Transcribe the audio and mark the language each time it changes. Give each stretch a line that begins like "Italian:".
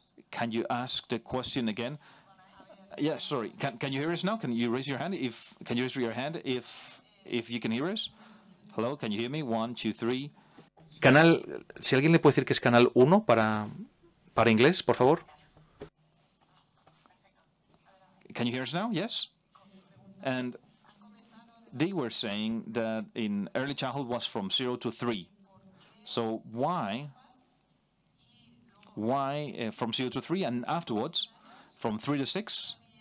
English: Can you ask the question again? Yeah, sorry. Can you hear us now? Can you raise your hand if you can hear us? Hello, can you hear me? 1, 2, 3.
Spanish: Canal, si alguien le puede decir que es canal 1 para inglés, por favor.
English: Can you hear us now? Yes. And they were saying that in early childhood was from 0 to 3. So why from 0 to 3 and afterwards from 3 to 6?